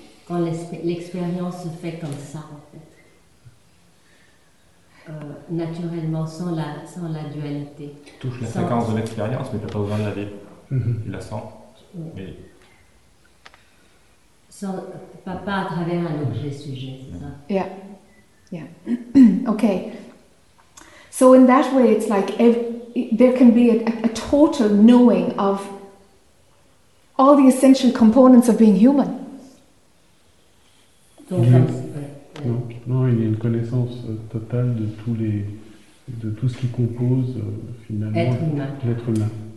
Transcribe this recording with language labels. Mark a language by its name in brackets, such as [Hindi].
[French] Quand l'expérience se fait comme ça, en fait, naturellement, sans la dualité. Tu touches la fréquence de l'expérience, mais tu n'as pas besoin de la vivre. Mm-hmm. Tu la sens. Oui. Mais... Pas à travers un objet-sujet, c'est ça? [English] Yeah. Yeah. Okay. So in that way, it's like there can be a total knowing of all the essential components of being human. [French] Il y a une connaissance totale de tout ce qui compose finalement l'être humain.